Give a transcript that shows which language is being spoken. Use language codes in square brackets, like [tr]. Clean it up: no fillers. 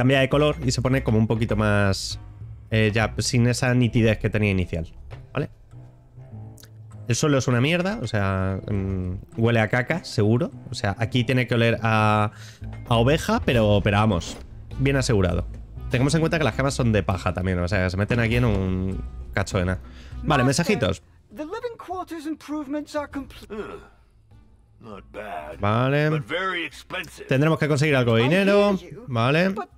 [es] Cambia de color y se pone como un poquito más... ya sin esa nitidez que tenía inicial, ¿vale? El suelo es una mierda, o sea, huele a caca, seguro. O sea, aquí tiene que oler a oveja, pero vamos, bien asegurado. Tengamos en cuenta que las camas son de paja también, o sea, se meten aquí en un... Cachoena. Vale, mensajitos. [en] The living quarters improvements are complete. Not bad. [es] Vale. [en] But very expensive. [es] Tendremos que conseguir algo de dinero. Vale.